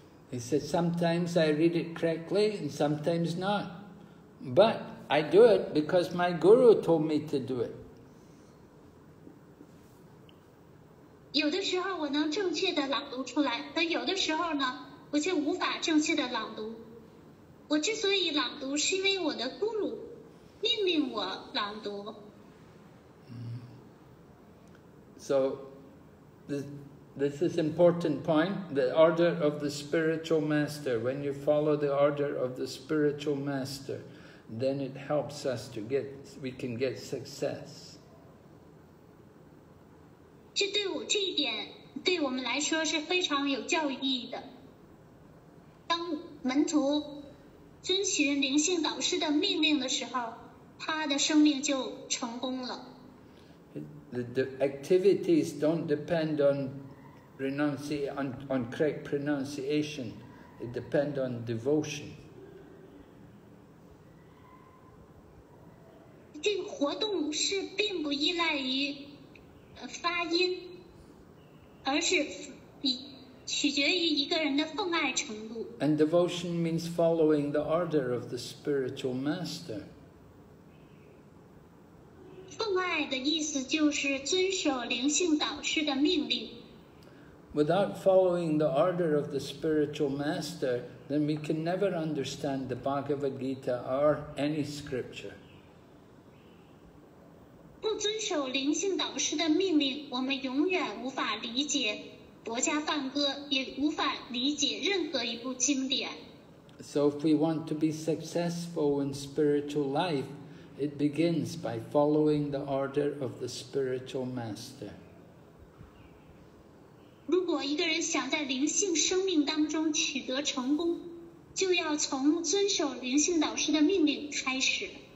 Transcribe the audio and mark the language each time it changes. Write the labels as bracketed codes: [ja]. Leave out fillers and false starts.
[en] He said, sometimes I read it correctly and sometimes not. But I do it because my guru told me to do it. [zh] 有的时候我能正确的朗读出来，但有的时候呢，我却无法正确的朗读。我之所以朗读，是因为我的咕噜命令我朗读。 [en] So, this is important point. The order of the spiritual master. When you follow the order of the spiritual master, then it helps us to get. We can get success. [zh] 这一点对我们来说是非常有教育意义的。当门徒遵循灵性导师的命令的时候，他的生命就成功了。 [en] The activities don't depend on correct pronunciation. It depend on devotion. [zh] 这个活动是并不依赖于发音。而是取决于一个人的奉爱程度。 [en] And devotion means following the order of the spiritual master. [zh] 奉爱的意思就是遵守灵性导师的命令。 [en] Without following the order of the spiritual master, then we can never understand the Bhagavad Gita or any scripture. [zh] 不遵守灵性导师的命令，我们永远无法理解《薄伽梵歌》，也无法理解任何一部经典。 [en] So if we want to be successful in spiritual life, it begins by following the order of the spiritual master. [zh] 如果一个人想在灵性生命当中取得成功，就要从遵守灵性导师的命令开始。